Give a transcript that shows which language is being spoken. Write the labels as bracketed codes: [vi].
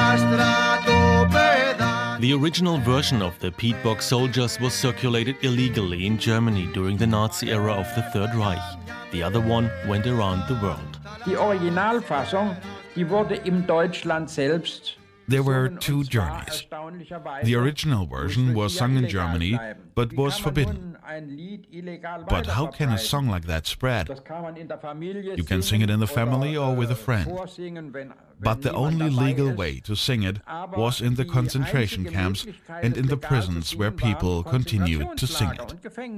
[en] The original version of the Piet Borg Soldiers was circulated illegally in Germany during the Nazi era of the Third Reich. The other one went around the world. [de] Die Originalfassung, die wurde im Deutschland selbst. [en] There were two journeys. The original version was sung in Germany, but was forbidden. But how can a song like that spread? You can sing it in the family or with a friend. But the only legal way to sing it was in the concentration camps and in the prisons where people continued to sing it.